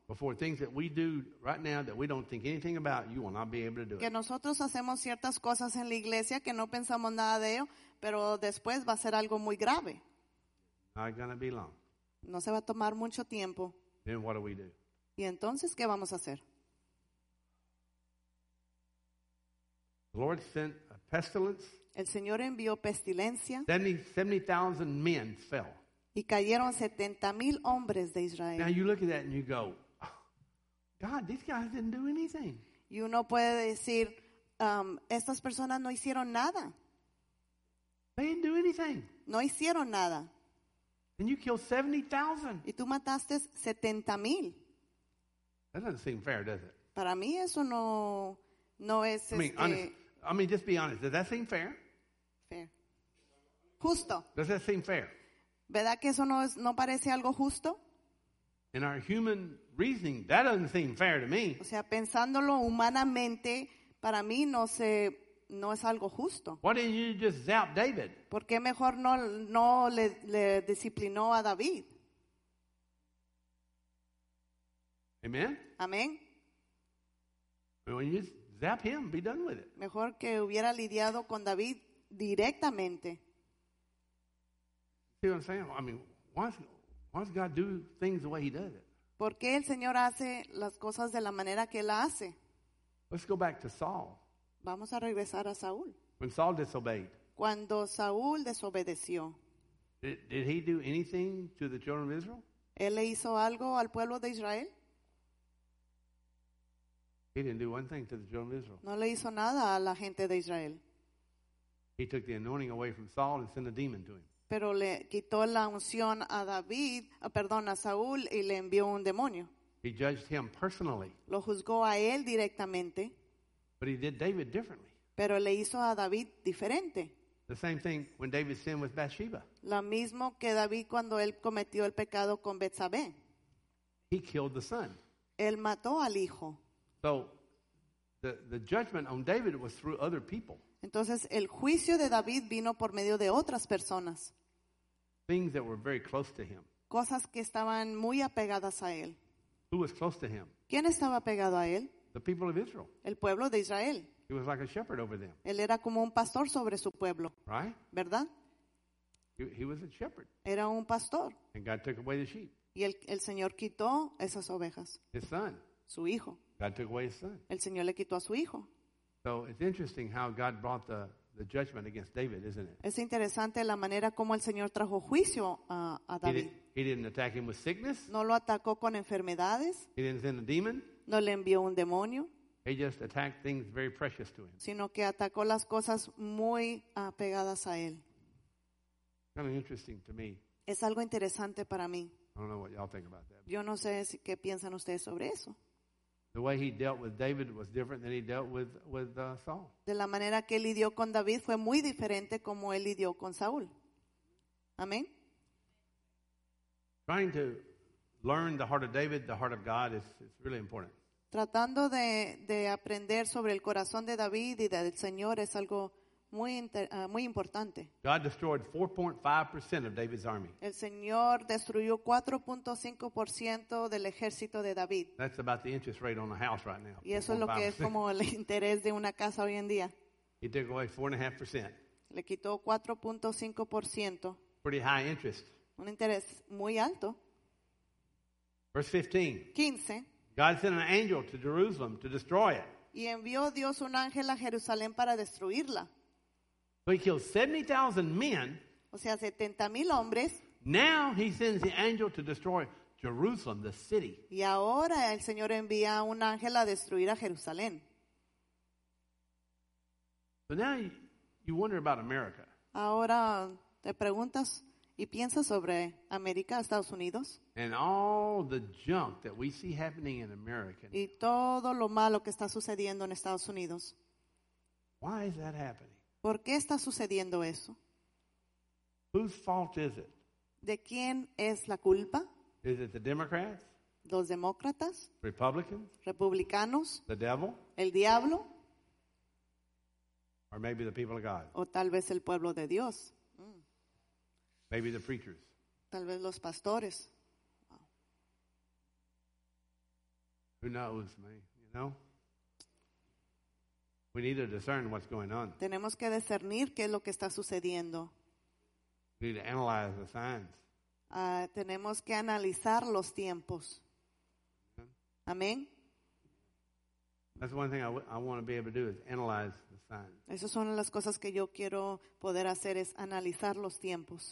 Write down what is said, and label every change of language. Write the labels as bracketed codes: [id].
[en] Before things that we do right now that we don't think anything about, you will not be able to do [es] que [en] it. [es] Que nosotros hacemos ciertas cosas en la iglesia que no pensamos nada de ello, pero después va a ser algo muy grave. [en] Not going to be long. [es] No se va a tomar mucho tiempo. [en] Then what do we do? [es] Y entonces, ¿qué vamos a hacer? [en] The Lord sent a pestilence. [es] El Señor envió pestilencia. [en] 70,000 men fell. [es] Y cayeron 70,000 hombres de Israel. [en] Now you look at that and you go, God, these guys didn't do anything. [es] Y uno puede decir, estas personas no hicieron nada. [en] They didn't do anything. [es] No hicieron nada. [en] And you killed 70,000. [es] Y tú mataste 70,000. [en] That doesn't seem fair, does it? [es] Para mí eso no es. [en] I mean, honest, just be honest. Does that seem fair? Fair. Justo. Does that seem fair? [es] ¿Verdad que eso no parece algo justo? [en] In our human reasoning, that doesn't seem fair to me. [es] O sea, pensándolo humanamente, para mí no es algo justo. [en] Why didn't you just zap David? [es] ¿Por qué mejor no le disciplinó a David? Amen. Amen. [en] Why didn't you zap him, be done with it? [es] Mejor que hubiera lidiado con David directamente. [en] See what I'm saying? I mean, why does God do things the way He does it? [es] ¿Por qué el Señor hace las cosas de la manera que Él hace? [en] Let's go back to Saul. [es] Vamos a regresar a Saúl. [en] When Saul disobeyed. [es] Cuando Saúl desobedeció. [en] Did he do anything to the children of Israel? [es] ¿Él le hizo algo al pueblo de Israel? [en] He didn't do one thing to the children of Israel. [es] No le hizo nada a la gente de Israel. [en] He took the anointing away from Saul and sent a demon to him. [es] Pero le quitó la unción a David, perdón, a Saúl, y le envió un demonio. [en] He judged him personally. [es] Lo juzgó a él directamente. [en] But he did David differently. [es] Pero le hizo a David diferente. [en] The same thing when David sinned with Bathsheba. [es] Lo mismo que David cuando él cometió el pecado con Betsabé. [en] He killed the son. [es] Él mató al hijo. [en] So the judgment on David was through other people. [es] Entonces, el juicio de David vino por medio de otras personas. [en] Things that were very close to him. [es] Cosas que estaban muy apegadas a él. [en] Who was close to him? [es] ¿Quién estaba apegado a él? [en] The people of Israel. [es] El pueblo de Israel. [en] He was like a shepherd over them. [es] Él era como un pastor sobre su pueblo. [en] Right? [es] ¿Verdad? [en] He was a shepherd. [es] Era un pastor. [en] And God took away the sheep. [es] Y el Señor quitó esas ovejas. [en] His son. [es] Su hijo. [en] God took away his son. [es] El Señor le quitó a su hijo. [en] So it's interesting how God brought the judgment against David, isn't it? [es] Es interesante la manera como el Señor trajo juicio a David. [en] He didn't attack him with sickness. [es] No lo atacó con enfermedades. [en] He didn't send a demon. [es] No le envió un demonio. [en] He just attacked things very precious to him. [es] Sino que atacó las cosas muy apegadas a él. [en] Kind of interesting to me. [es] Es algo interesante para mí. [en] I don't know what y'all think about that. [es] Yo no sé qué piensan ustedes sobre eso. [en] The way he dealt with David was different than he dealt with Saul. [es] De la manera que él lidió con David fue muy diferente como él lidió con Saúl. Amén. [en] Trying to learn the heart of David, the heart of God, is really important. [es] Tratando de aprender sobre el corazón de David y del Señor es algo muy importante. [en] God destroyed 4.5% of David's army. [es] El Señor destruyó 4.5% del ejército de David. [en] That's about the interest rate on a house right now. [es] Y eso es lo que es como el interés de una casa hoy en día. [en] He took away 4.5%. [es] Le quitó 4.5%. [en] Pretty high interest. [es] Un interés muy alto. [en] Verse 15. 15. God sent an angel to Jerusalem to destroy it. [es] Y envió Dios un ángel a Jerusalén para destruirla. [en] So he killed 70,000 men. [es] O sea, 70,000 hombres. [en] Now he sends the angel to destroy Jerusalem, the city. [es] Y ahora el Señor envía un ángel a destruir a Jerusalén. [en] So now you wonder about America. [es] Ahora te preguntas y piensas sobre América, Estados Unidos. [en] And all the junk that we see happening in America. [es] Y todo lo malo que está sucediendo en Estados Unidos. [en] Why is that happening? [es] ¿Por qué está sucediendo eso? [en] Whose fault is it? [es] ¿De quién es la culpa? [en] Is it the Democrats? [es] ¿Los demócratas? [en] Republicans? [es] ¿Republicanos? [en] The devil? [es] ¿El diablo? [en] Or maybe the people of God? [es] ¿O tal vez el pueblo de Dios? [en] Maybe the preachers? [es] Tal vez los pastores. [en] Who knows, man? You know? We need to discern what's going on. [es] Tenemos que discernir qué es lo que está sucediendo. [en] We need to analyze the signs. [es] Tenemos que analizar los tiempos. Amén. [en] That's one thing I want to be able to do is analyze the signs. [es] Esas son las cosas que yo quiero poder hacer es analizar los tiempos.